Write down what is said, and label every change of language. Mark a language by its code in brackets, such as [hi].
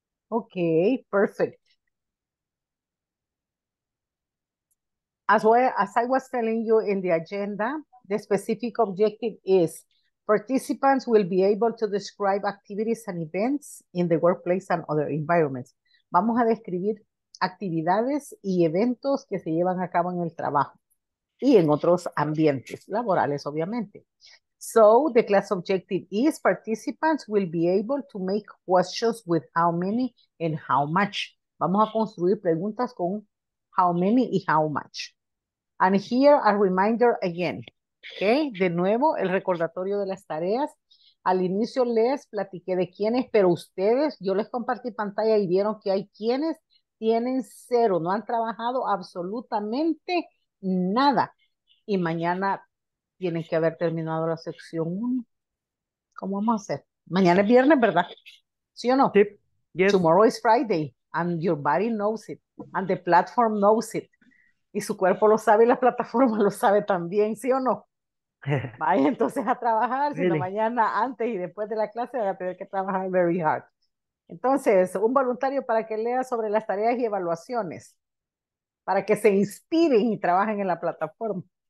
[en] Okay, perfect. As well as I was telling you in the agenda, the specific objective is participants will be able to describe activities and events in the workplace and other environments. [es] Vamos a describir actividades y eventos que se llevan a cabo en el trabajo y en otros ambientes laborales, obviamente. [en] So, the class objective is participants will be able to make questions with how many and how much. [es] Vamos a construir preguntas con how many y how much. [en] And here a reminder again. [es] Okay, de nuevo el recordatorio de las tareas. Al inicio les platiqué de quiénes, pero ustedes, yo les compartí pantalla y vieron que hay quienes tienen cero, no han trabajado absolutamente nada. Y mañana tienen que haber terminado la sección 1. ¿Cómo vamos a hacer? Mañana es viernes, ¿verdad? ¿Sí o no? [en] Tip, yes. Tomorrow is Friday and your body knows it and the platform knows it. [es] Y su cuerpo lo sabe y la plataforma lo sabe también, ¿sí o no? Vaya entonces a trabajar, sino [en] Really. [es] mañana antes y después de la clase va a tener que trabajar [en] very hard. [es] Entonces, un voluntario para que lea sobre las tareas y evaluaciones, para que se inspiren y trabajen en la plataforma.